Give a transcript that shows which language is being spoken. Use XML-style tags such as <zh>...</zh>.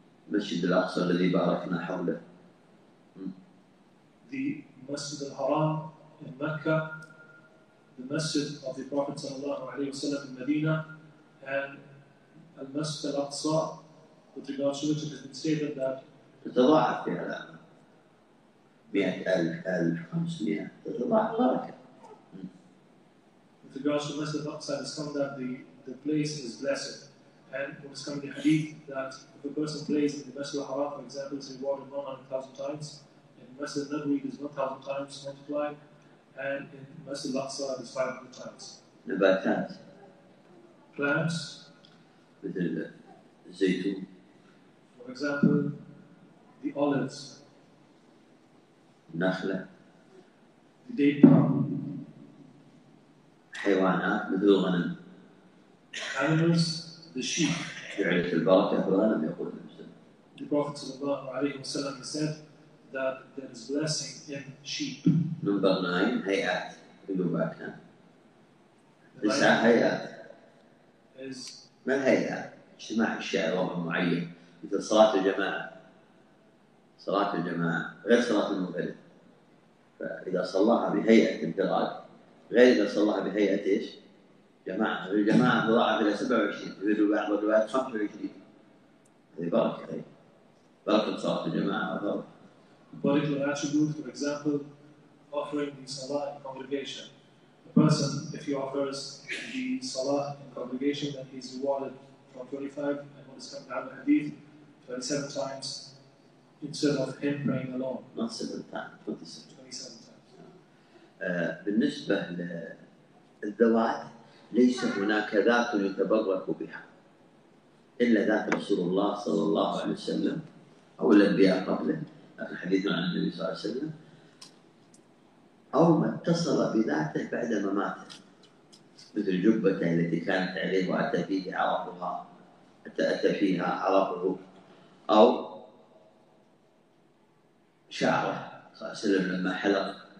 <ar>مسجد الأقصى الذي باركنا حوله.</ar> <en>The Masjid al-Haram in Mecca, the Masjid of the Prophet sallallahu alayhi wa sallam in Medina, and al-Masjid al-Aqsa, with regards to which it has been stated that</en> <ar>تتضاعف فيها الآن 100,000, 1,500</ar> <en>with regards to Masjid al-Aqsa, it has come that the place is blessed. And when it's come in the hadith that if a person plays in the Masjid al-Haram, for example, is rewarded 100,000 times, Masjid al-Nabawi is 1,000 times multiplied, and in Masjid al-Aqsa is 500 times.</en> <ar>Nabatat.</ar> <en>Plants.</en> <ar>مثل الزيتون.</ar> <en>For example, the olives.</en> <ar>النخلة.</ar> <en>The date palm.</en> <ar>حيوانات مثل الغنم.</ar> <en>Animals, the sheep.</en> <ar>جعلت البركة في الغنم يقول النبي صلى الله عليه وسلم.</ar> <en>The Prophet</en> <ar>صلى الله عليه وسلم</ar> <en>said, that there is blessing in sheep. Number 9, hayat. We go back now. This is hayat. Is. What hayat?</en> <ar>اجتماع الشعراء المعين. مثل صلاة الجماعة. صلاة الجماعة غير صلاة المنفرد. فإذا صلاها بهيئة انفراد غير إذا صلاها بهيئة ايش؟ جماعة. الجماعة تضاعف إلى 27. في الرباط والرباط 25. هذه بركة. بركة صلاة الجماعة وبركة.</ar> <en>Particular attribute, for example, offering the salah in congregation. A person, if he offers the salah in congregation, then he is rewarded from 25, and what is coming out of the hadith, 27 times, instead of him praying alone. Not 7 times, 27. 27 times.</en> <ar>بالنسبة للذوات ليس هناك ذات يتبرك بها إلا ذات رسول الله صلى الله عليه وسلم أو الأنبياء قبله. الحديث عن النبي صلى الله عليه وسلم أو ما اتصل بذاته بعد مماته مثل جبته التي كانت عليه وأتى فيه عرقها أتى فيها عرقه أو شعره صلى الله عليه وسلم لما حلق</ar>